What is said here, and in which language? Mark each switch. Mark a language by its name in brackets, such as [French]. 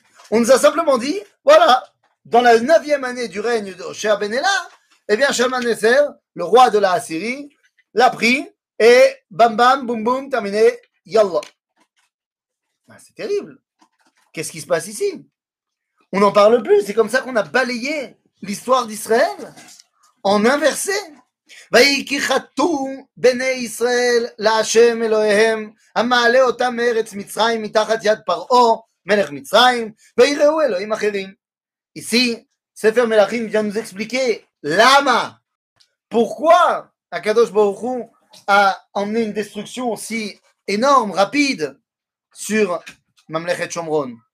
[French] On nous a simplement dit, voilà, dans la 9e année du règne de Hoshéa ben Ela, eh bien Shalmaneser, le roi de la Assyrie, l'a pris et bam bam, boum boum, terminé, yallah. Ben, c'est terrible. Qu'est-ce qui se passe ici? On n'en parle plus, c'est comme ça qu'on a balayé l'histoire d'Israël en un verset. [Hebrew] ויקחתו בני ישראל להשם אלוהיהם המעלה אותם מארץ מצרים מתחת יד פרעה מלך מצרים ויראו אלוהים אחרים. [French] Ici, ספר מלאכים vient nous expliquer למה, pourquoi הקדוש ברוך הוא a emmené une destruction aussi énorme, rapide sur ממלכת שומרון.